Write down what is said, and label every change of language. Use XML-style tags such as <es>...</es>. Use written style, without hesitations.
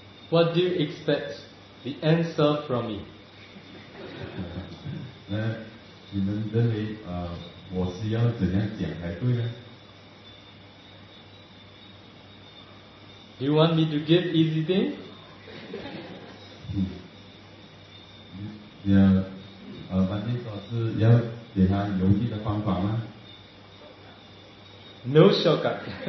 <en>What do you expect the answer from me?</en> <zh>那你们认为我是要怎样讲才对呢？</zh> <en>Do you want me to give easy thing? Yeah, no shortcut.</en>